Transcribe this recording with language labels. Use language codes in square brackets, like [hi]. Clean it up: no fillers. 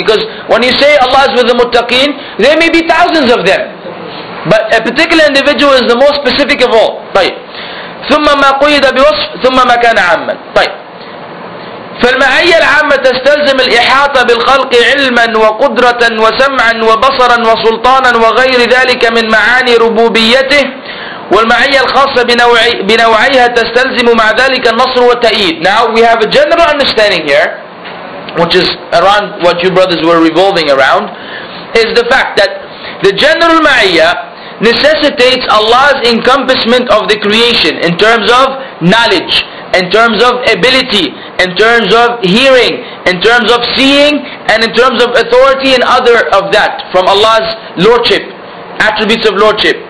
[en] Because when you say Allah is with the muttaqeen, there may be thousands of them. But a particular individual is the most specific of all. [ar] طيب. ثم ما قيد بوصف ثم ما كان عاما. طيب. فالمعية العامة تستلزم الإحاطة بالخلق علما وقدرة وسمعا وبصرا وسلطانا وغير ذلك من معاني ربوبيته. والمعية الخاصة بنوعيها تستلزم مع ذلك النصر والتأييد. [en] Now we have a general understanding here, which is around what you brothers were revolving around, is the fact that the general ma'iyya necessitates Allah's encompassment of the creation in terms of knowledge, in terms of ability, in terms of hearing, in terms of seeing, and in terms of authority and other of that from Allah's lordship, attributes of lordship.